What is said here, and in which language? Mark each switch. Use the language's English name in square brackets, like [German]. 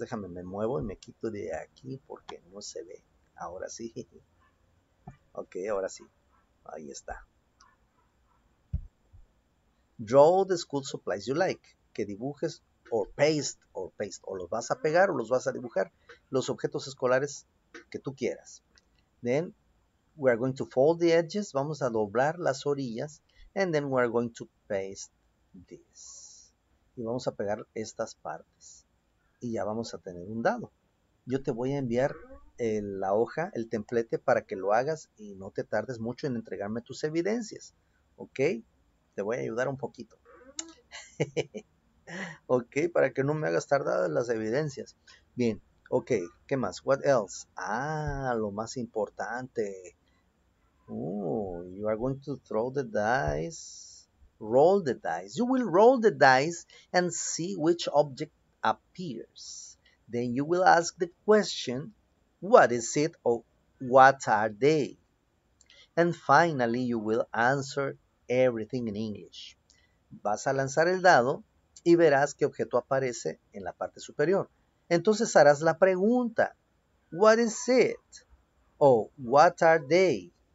[Spanish] Déjame, me muevo y me quito de aquí porque no se ve. Ahora sí. Ok, ahora sí. Ahí está. [English] Draw the school supplies you like. [Spanish] Que dibujes [English] or paste. [Spanish] O los vas a pegar o los vas a dibujar. Los objetos escolares que tú quieras. [English] Then we are going to fold the edges. [Spanish] Vamos a doblar las orillas. [English] And then we are going to paste this. [Spanish] Y vamos a pegar estas partes. Y ya vamos a tener un dado. Yo te voy a enviar la hoja, el templete, para que lo hagas y no te tardes mucho en entregarme tus evidencias. ¿Ok? Te voy a ayudar un poquito. ¿Ok? Para que no me hagas tardar las evidencias. Bien. ¿Ok? ¿Qué más? [English] What else? [Spanish] Ah, lo más importante. [English] You are going to throw the dice. Roll the dice. You will roll the dice and see which object appears. Then you will ask the question, what is it or what are they? And finally, you will answer everything in English. [Spanish] Vas a lanzar el dado y verás qué objeto aparece en la parte superior. Entonces harás la pregunta, [English] what is it or what are they?